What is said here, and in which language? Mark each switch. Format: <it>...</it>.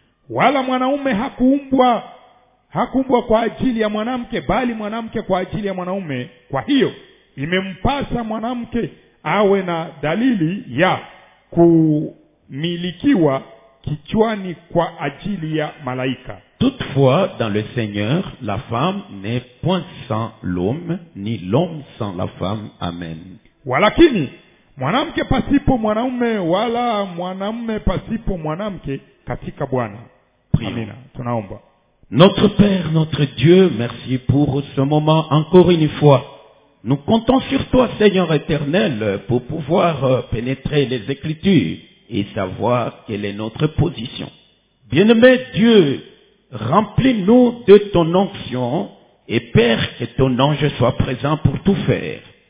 <sw>Wala mwanaume hakuumbwa kwa ajili ya mwanamke, bali mwanamke kwa ajili ya mwanaume. Kwa hiyo imempasa mwanamke awe na dalili ya kumilikiwa kichwani kwa ajili ya malaika.</sw> <fr>Toutefois, dans le Seigneur, la femme n'est point sans l'homme, ni l'homme sans la femme. Amen.</fr> <sw>Walakini, mwanamke pasipo mwanaume, wala mwanaume pasipo mwanamke katika Bwana. Amen. Tunaomba.</sw> <fr>Notre Père, notre Dieu, merci pour ce moment encore une fois. Nous comptons sur toi, Seigneur éternel, pour pouvoir pénétrer les Écritures et savoir quelle est notre position. Bien-aimé Dieu, remplis-nous de ton onction et Père, que ton ange soit présent pour tout faire.</fr>